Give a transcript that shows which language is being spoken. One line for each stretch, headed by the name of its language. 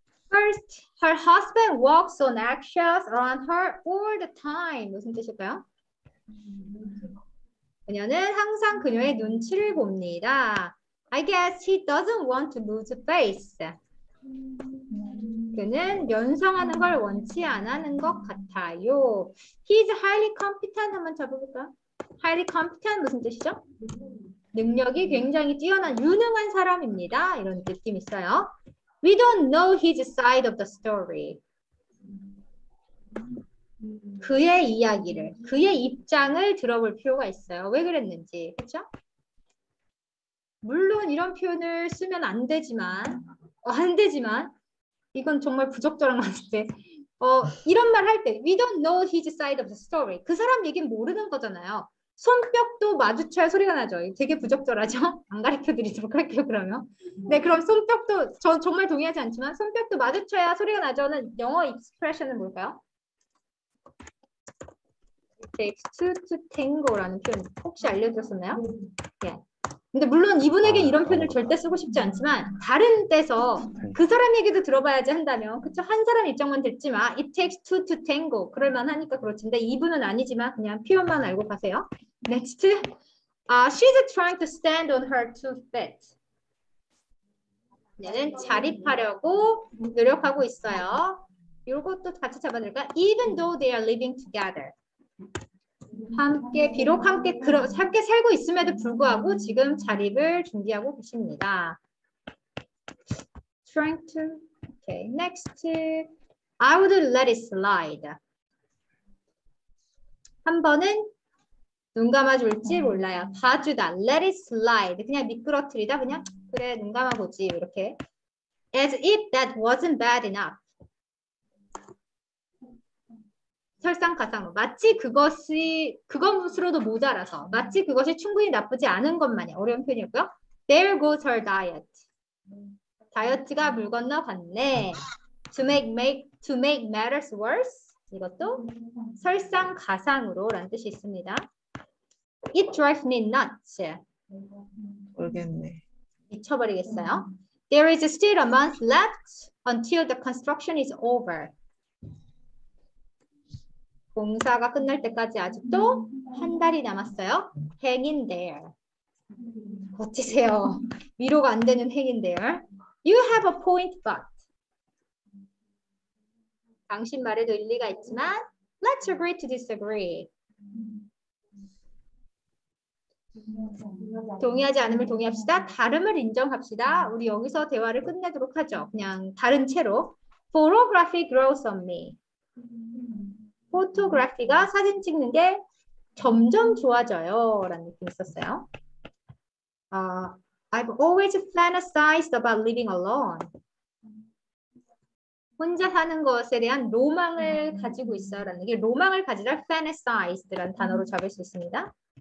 English: First, her husband walks on eggshells around her all the time.
Korean: 무슨 뜻일까요? 그녀는 항상 그녀의 눈치를 봅니다.
English: I guess he doesn't want to lose face.
Korean: 그는 연상하는 걸 원치 않는 것 같아요.
English: He's highly competent
Korean: 한번 쳐볼까요? Highly competent 무슨 뜻이죠? 능력이 굉장히 뛰어난 유능한 사람입니다. 이런 느낌 있어요.
English: We don't know his side of the story.
Korean: 그의 이야기를, 그의 입장을 들어볼 필요가 있어요. 왜 그랬는지, 그렇죠? 물론 이런 표현을 쓰면 안 되지만, 안 되지만 이건 정말 부적절한 것 같은데, 이런 말할 때,
English: We don't know his side of the story.
Korean: 그 사람 얘기는 모르는 거잖아요. 손뼉도 마주쳐야 소리가 나죠. 되게 부적절하죠? 안 가르쳐드리도록 할게요, 그러면. 네, 그럼 손뼉도, 저 정말 동의하지 않지만, 손뼉도 마주쳐야 소리가 나죠는 영어 익스프레션은 뭘까요?
English: It takes two to tango라는
Korean: 표현, 혹시 알려드렸었나요? 예. 근데 물론 이분에게 이런 표현을 절대 쓰고 싶지 않지만, 다른 데서 그 사람 얘기도 들어봐야지 한다면, 그쵸? 한 사람 입장만 듣지 마.
English: It takes two to tango.
Korean: 그럴 만하니까 그렇지. 근데 이분은 아니지만, 그냥 표현만 알고 가세요.
English: Next. She's trying to stand on her two feet.
Korean: 얘는 자립하려고 노력하고 있어요. 이것도 같이 잡아드릴까?
English: Even though they are living together.
Korean: 함께, 비록 함께, 함께 살고 있음에도 불구하고 지금 자립을 준비하고 계십니다.
English: Trying to. Okay, next. I would let it slide.
Korean: 한 번은 눈 감아줄지 몰라요. 봐주다.
English: Let it slide.
Korean: 그냥 미끄러뜨리다. 그냥 그래, 눈 감아보지. 이렇게.
English: As if that wasn't bad enough.
Korean: 설상가상으로. 마치 그것이, 그것으로도 모자라서. 마치 그것이 충분히 나쁘지 않은 것만이. 어려운 표현이었고요.
English: There goes her diet.
Korean: 다이어트가 물 건너갔네.
English: To make matters worse.
Korean: 이것도 설상가상으로란 뜻이 있습니다.
English: It drives me nuts.
Korean: 모르겠네. 미쳐버리겠어요.
English: There is still a month left until the construction is over.
Korean: 공사가 끝날 때까지 아직도 한 달이 남았어요.
English: Hang in there.
Korean: 버티세요. 위로가 안 되는
English: hang in there. You have a point, but.
Korean: 당신 말에도 일리가 있지만,
English: let's agree to disagree.
Korean: 동의하지 않음을 동의합시다. 다름을 인정합시다. 우리 여기서 대화를 끝내도록 하죠. 그냥 다른 채로.
English: Photography grows on me.
Korean: 포토그래피가 사진 찍는 게 점점 좋아져요. 라는 느낌이 있었어요.
English: I've always fantasized about living alone.
Korean: 혼자 사는 것에 대한 로망을 가지고 있어요. 라는 게 로망을 가지다 fantasized라는 단어로 잡을 수 있습니다.